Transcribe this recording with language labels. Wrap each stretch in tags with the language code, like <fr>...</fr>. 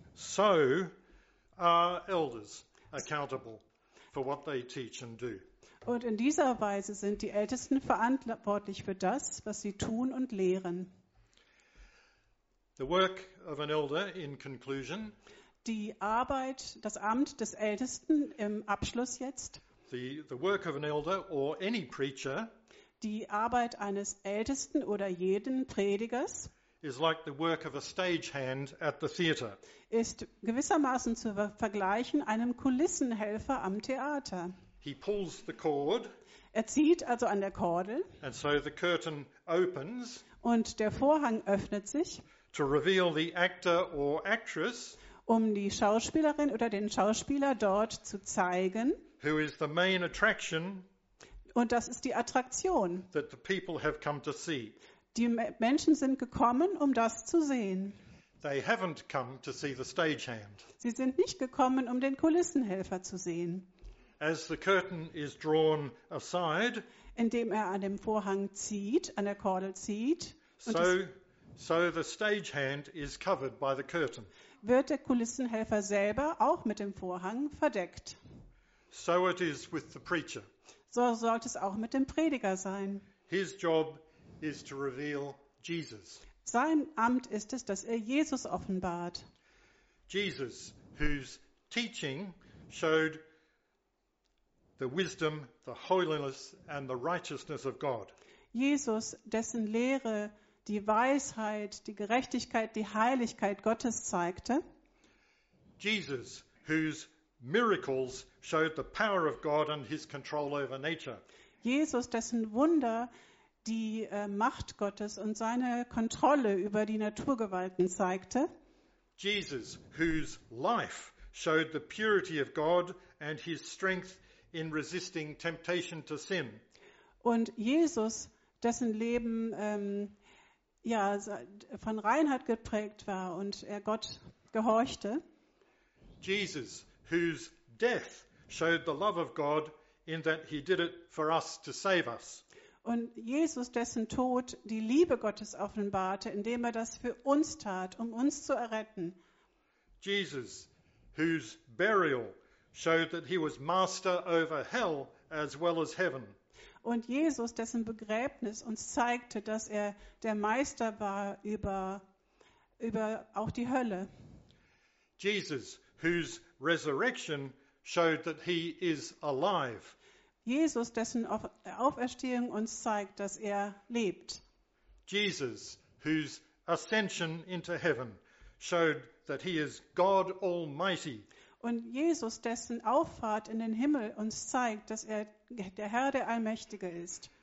<en>So are elders accountable for what they teach and do.</en> <de>Und in dieser Weise sind die Ältesten verantwortlich für das, was sie tun und lehren.</de> <en>The work of an elder in conclusion.</en> <de>Die Arbeit, das Amt des Ältesten im Abschluss jetzt.</de> <en>The work of an elder or any preacher.</en> <de>Die Arbeit eines Ältesten oder jeden Predigers.</de> <en>Is like the work of a stagehand at the theater.</en> <de>Ist gewissermaßen zu vergleichen einem Kulissenhelfer am Theater.</de> <en>He pulls the cord.</en> <de>Er zieht also an der Kordel.</de> <en>And so the curtain opens.</en> <de>Und der Vorhang öffnet sich.</de> <en>To reveal the actor or actress,</en> <de>um die Schauspielerin oder den Schauspieler dort zu zeigen,</de> <en>who is the main attraction,</en> <de>und das ist die Attraktion,</de> <en>that the people have come to see.</en> <de>Die Menschen sind gekommen, um das zu sehen.</de> <en>They haven't come to see the stagehand.</en> <de>Sie sind nicht gekommen, um den Kulissenhelfer zu sehen.</de> <en>As the curtain is drawn aside,</en> <de>indem er an dem Vorhang zieht, an der Kordel zieht,</de> <en>So the stagehand is covered by the curtain.</en> <de>Wird der Kulissenhelfer selber auch mit dem Vorhang verdeckt.</de> <en>So it is with the preacher.</en> <de>So sollte es auch mit dem Prediger sein.</de> <en>His job is to reveal Jesus.</en> <de>Sein Amt ist es, dass er Jesus offenbart.</de> <en>Jesus, whose teaching showed the wisdom, the holiness and the righteousness of God.</en> <de>Jesus, dessen Lehre die Weisheit, die Gerechtigkeit, die Heiligkeit Gottes zeigte.</de> <en>Jesus, whose miracles showed the power of God and his control over nature.</en> <de>Jesus, dessen Wunder die Macht Gottes und seine Kontrolle über die Naturgewalten zeigte.</de> <en>Jesus, whose life showed the purity of God and his strength in resisting temptation to sin.</en> <de>Und Jesus, dessen Leben von Reinheit geprägt war und er Gott gehorchte.</de> <en>Jesus, whose death showed the love of God in that he did it for us to save us.</en> <de>Und Jesus, dessen Tod die Liebe Gottes offenbarte, indem er das für uns tat, um uns zu erretten.</de> <en>Jesus, whose burial showed that he was master over hell as well as heaven.</en> <de>Und Jesus, dessen Begräbnis uns zeigte, dass er der Meister war über auch die Hölle.</de> <en>Jesus, whose resurrection showed that he is alive.</en> <de>Jesus, dessen Auferstehung uns zeigt, dass er lebt.</de> <en>Jesus, whose ascension into heaven showed that he is God Almighty.</en> <de>Und Jesus, dessen Auffahrt in den Himmel uns zeigt, dass er der Herr der Allmächtige ist.</de>